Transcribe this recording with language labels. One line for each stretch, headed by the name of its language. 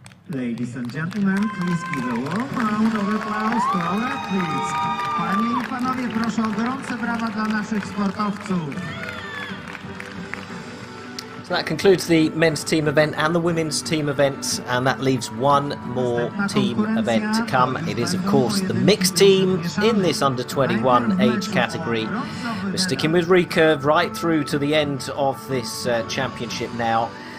English: Ladies and gentlemen, please give a warm round of applause to our athletes.
Polish: Panie i panowie, proszę o gorące brawa dla naszych sportowców.
English: So that concludes the men's team event and the women's team event, and that leaves one more team event to come. It is, of course, the mixed team in this under-21 age category. We're sticking with recurve right through to the end of this championship now.